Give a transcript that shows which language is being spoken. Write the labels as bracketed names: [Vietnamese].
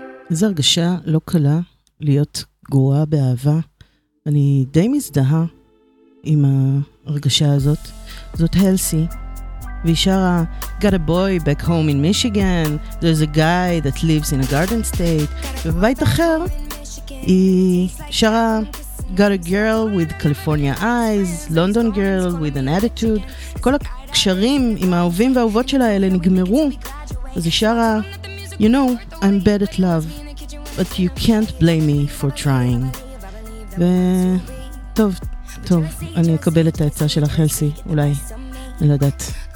[Hebrew] איזו הרגשה לא קלה להיות גרועה באהבה. אני די מזדהה עם ההרגשה הזאת. זאת הלסי, והיא שרה [English] Got a boy back home in Michigan, there's a guy that lives in a garden state. [Hebrew] ובבית אחר היא שרה [English] Got a girl with California eyes, London girl with an attitude. [Hebrew] כל הקשרים עם האהובים והאהובות שלה האלה נגמרו, אז היא שרה [English] You know, I'm bad at love, but you can't blame me for trying. [Hebrew] וטוב, טוב, אני אקבל את ההצעה של החלסי, אולי, אני לא יודעת.